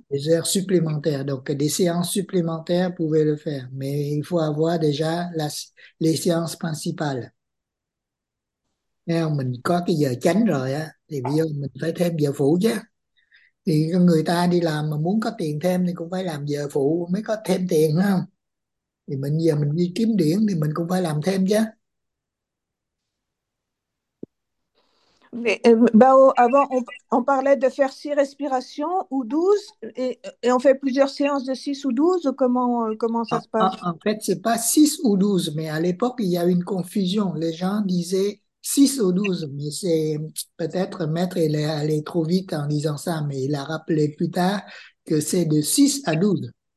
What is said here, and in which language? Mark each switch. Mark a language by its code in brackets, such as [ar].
[fr] des heures supplémentaires, donc des séances supplémentaires pouvez le faire, mais il faut avoir déjà les séances principales. [vi] Mình có cái giờ chánh rồi á thì bây giờ mình phải thêm giờ phụ chứ. Thì người ta đi làm mà muốn có tiền thêm thì cũng phải làm giờ phụ mới có thêm tiền, phải không? Thì mình giờ mình đi kiếm điển thì mình cũng phải làm thêm chứ. [fr] Mais, bah, avant, on parlait de faire 6 respirations ou 12, et on fait plusieurs séances de 6 ou 12, comment ça se passe? En fait, c'est pas 6 ou 12, mais à l'époque, il y a une confusion. Les gens disaient 6 ou 12, mais c'est peut-être Maître, il est allé trop vite en disant ça, mais il a rappelé plus tard que c'est de 6 à 12.